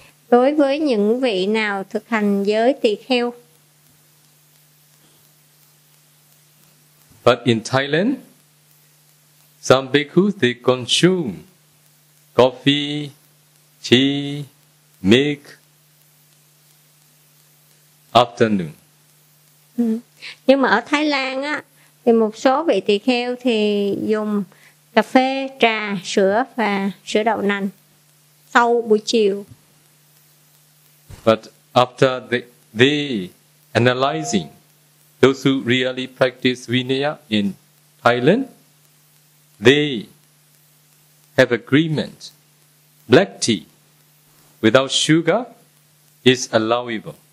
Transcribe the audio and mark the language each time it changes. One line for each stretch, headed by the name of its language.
Vietnamese: Đối với những vị nào thực hành giới tỳ kheo.
English: But in Thailand, some bhikkhus, they consume coffee, tea, milk, afternoon.
Vietnamese: Nhưng mà ở Thái Lan á, thì một số vị tỳ kheo thì dùng cà phê, trà, sữa và sữa đậu nành sau buổi chiều.
English: But after they analyzing those who really practice Vinaya in Thailand, they have agreement black tea without sugar is allowable.